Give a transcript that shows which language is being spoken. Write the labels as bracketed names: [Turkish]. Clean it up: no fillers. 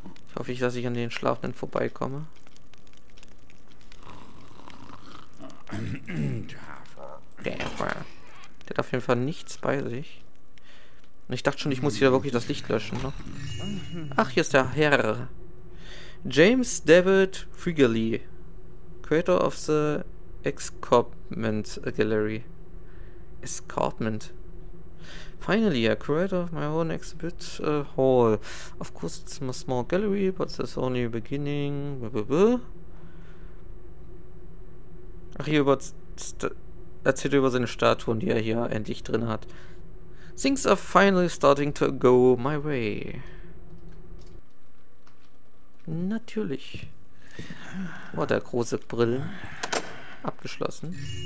[German] Ich hoffe, dass ich an den Schlafenden vorbeikomme. Der hat auf jeden Fall nichts bei sich. Und ich dachte schon, ich muss hier wirklich das Licht löschen. Ne? Ach, hier ist der Herr. [English] James David Frigerly, Creator of the Escarpment Gallery. Escarpment. Finally, a creator of my own exhibit hall. Of course, it's a small gallery, but it's only a beginning. [German] Ach, hier über erzählt über seine Statuen, die er hier endlich drin hat. [English] Things are finally starting to go my way. [German] Natürlich. Oh, der große Brillen. Abgeschlossen.